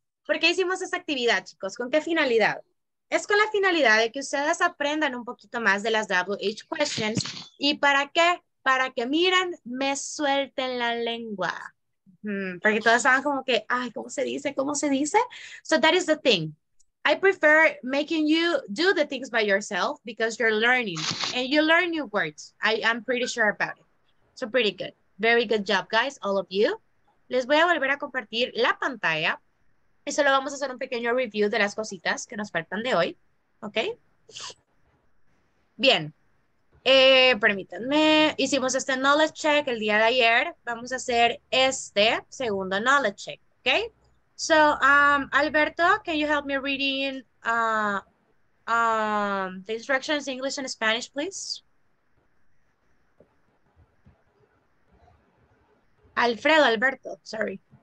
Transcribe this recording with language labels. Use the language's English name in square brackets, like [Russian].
[Spanish] ¿Por qué hicimos esta actividad, chicos? ¿Con qué finalidad? Es con la finalidad de que ustedes aprendan un poquito más de las WH questions. ¿Y para qué? Para que miren, me suelten la lengua. Porque todas saben como que, ay, ¿cómo se dice? [English] So that is the thing. I prefer making you do the things by yourself because you're learning. And you learn new words. I'm pretty sure about it. So pretty good. Very good job, guys, all of you. [Spanish] Les voy a volver a compartir la pantalla. Y solo vamos a hacer un pequeño review de las cositas que nos faltan de hoy. ¿Ok? Bien. Permítanme, hicimos este knowledge check el día de ayer, vamos a hacer este segundo knowledge check, okay? [English] So, Alberto, can you help me reading the instructions in English and Spanish, please? Alberto, sorry.